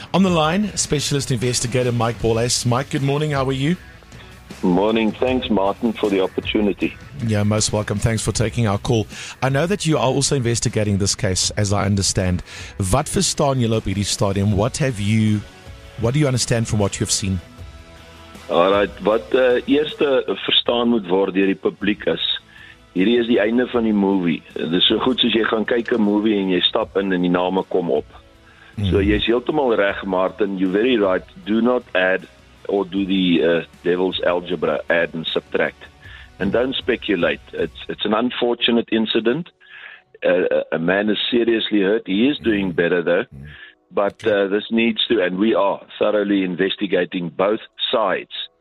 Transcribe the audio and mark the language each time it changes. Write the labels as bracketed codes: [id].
[en] On the line, specialist investigator Mike Borlase. Mike, good morning. How are you? Morning. Thanks, Martin, for the opportunity. Yeah, most welcome. Thanks for taking our call. I know that you are also investigating this case, as I understand. [af] Wat verstaan julle op hierdie stadium? [en] What do you understand from what you have seen? All right. [af] Wat eerste verstaan moet word deur die publiek is, hierdie is die einde van die movie. Dit is so goed soos jy gaan kyk 'n movie en jy stap in en die name kom op. So jy is heeltemal reg, Martin. [en] You're very right. Do not add or do the devil's algebra, add and subtract, and don't speculate. It's an unfortunate incident. A man is seriously hurt. He is doing better, though. But this needs to, and we are thoroughly investigating both sides.